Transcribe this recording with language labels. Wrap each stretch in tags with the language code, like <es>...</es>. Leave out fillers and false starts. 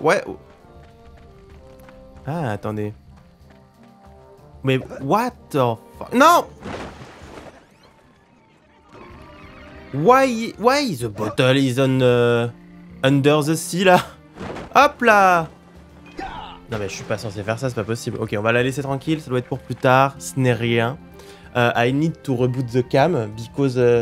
<fr>Ouais. Ah, attendez. Mais</fr> <en>what the fuck?</en> <fr>Non!</fr> <en>Why the bottle is on under the sea, là?</en> <fr>Hop là! Non, mais je suis pas censé faire ça, c'est pas possible. Ok, on va la laisser tranquille, ça doit être pour plus tard. Ce n'est rien.</fr> <en>I need to reboot the cam, because...</en>